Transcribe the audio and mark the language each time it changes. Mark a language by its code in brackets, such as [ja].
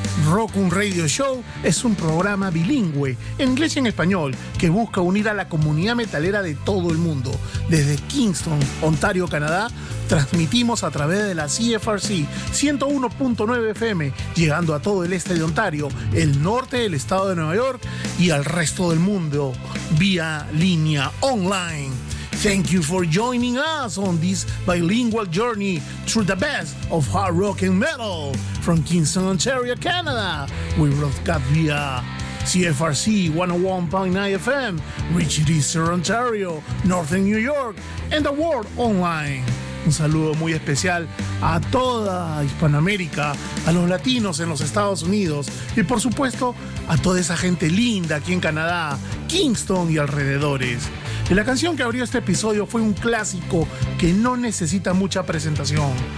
[es] Rock'um Radio Show es un programa bilingüe, en inglés y en español, que busca unir a la comunidad metalera de todo el mundo. Desde Kingston, Ontario, Canadá, transmitimos a través de la CFRC 101.9 FM, llegando a todo el este de Ontario, el norte del estado de Nueva York y al resto del mundo vía línea online. [en] Thank you for joining us on this bilingual journey through the best of hard rock and metal from Kingston, Ontario, Canada. We broadcast via CFRC 101.9 FM, reaching Eastern Ontario, Northern New York, and the world online. [es] Un saludo muy especial a toda Hispanoamérica, a los latinos en los Estados Unidos y, por supuesto, a toda esa gente linda aquí en Canadá, Kingston y alrededores. Y la canción que abrió este episodio fue un clásico que no necesita mucha presentación.